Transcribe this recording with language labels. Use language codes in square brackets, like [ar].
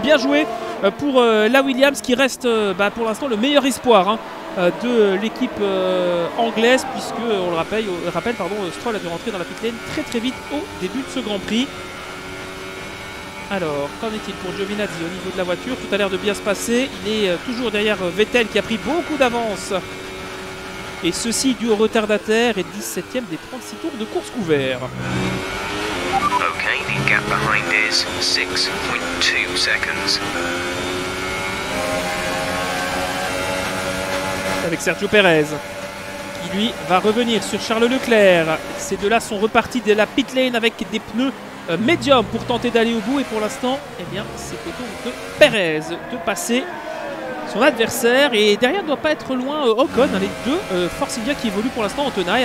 [fr] Bien joué pour la Williams qui reste pour l'instant le meilleur espoir de l'équipe anglaise puisque, on le rappelle, Stroll a dû rentrer dans la pit lane très très vite au début de ce Grand Prix. Alors, qu'en est-il pour Giovinazzi au niveau de la voiture ? Tout a l'air de bien se passer. Il est toujours derrière Vettel qui a pris beaucoup d'avance. Et ceci dû au retardataire et 17e des 36 tours de course couvert. [en] Ok, the gap behind is 6.2 seconds. [fr] Avec Sergio Perez qui lui va revenir sur Charles Leclerc. Ces deux-là sont repartis de la pit lane avec des pneus médium pour tenter d'aller au bout et pour l'instant, eh bien, c'est au tour de Perez de passer son adversaire et derrière ne doit pas être loin Ocon, les deux Force India qui évoluent pour l'instant en tenaille.